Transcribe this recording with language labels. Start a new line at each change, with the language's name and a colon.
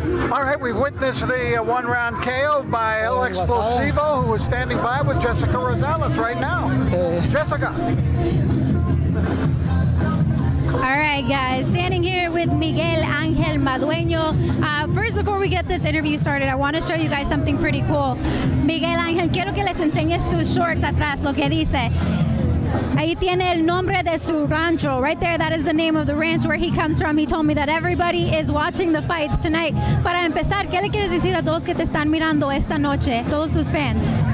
English: All right, we've witnessed the one-round KO by El Explosivo, who is standing by with Jessica Rosales right now. Jessica. All right, guys, standing here with Miguel Angel Madueño. First, before we get this interview started, I want to show you guys something pretty cool.
Spanish: Miguel Angel, quiero que les enseñes tus shorts atrás, lo que dice. Ahí tiene el nombre de su rancho.
English: Right there, that is the name of the ranch where he comes from. He told me that everybody is watching the fights tonight.
Spanish: Para empezar, ¿qué le quieres decir a todos que te están mirando esta noche, todos tus fans?